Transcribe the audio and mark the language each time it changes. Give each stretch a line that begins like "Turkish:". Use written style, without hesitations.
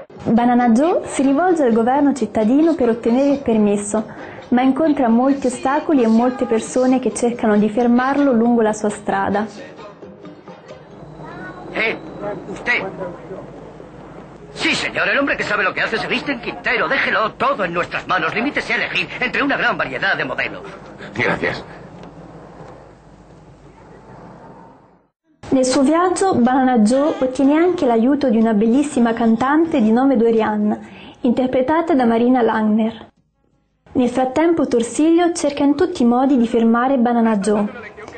Italian: Banana Joe si rivolge al governo cittadino per ottenere il permesso, ma incontra molti ostacoli e molte persone che cercano di fermarlo lungo la sua strada.
Spanish: ¿Usted? Sí, señor, el hombre que sabe lo que hace se viste en Quintero. Déjelo todo en nuestras manos. Limítese a elegir entre una gran variedad de modelos. Gracias.
Italian: Nel suo viaggio, Banana Joe ottiene anche l'aiuto di una bellissima cantante di nome Dorian, interpretata da Marina Langner. Nel frattempo, Torsiglio cerca in tutti i modi di fermare Banana Joe.